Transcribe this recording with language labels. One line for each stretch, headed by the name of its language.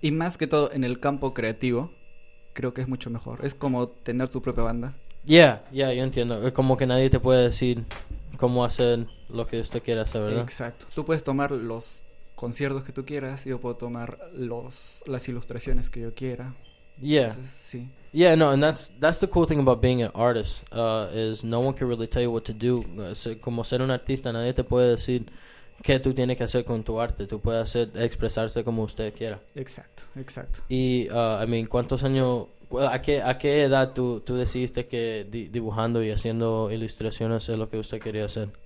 Spanish: Y más que todo en el campo creativo, creo que es mucho mejor. Es como tener tu propia banda. Yeah, yo entiendo. Es como que nadie te puede decir cómo hacer lo que usted quiera hacer, ¿verdad? Exacto. Tú puedes tomar los conciertos que tú quieras, yo puedo tomar las ilustraciones que yo quiera.
English: Yeah.
Spanish: Entonces, sí.
English: Yeah, no, and that's the cool thing about being an artist, is no one can really tell you what to do.
Spanish: Como ser un artista, nadie te puede decir qué tú tienes que hacer con tu arte. Tú puedes hacer, expresarse como usted quiera. Exacto. Y, ¿cuántos años, a qué edad tú decidiste que dibujando y haciendo ilustraciones es lo que usted quería hacer?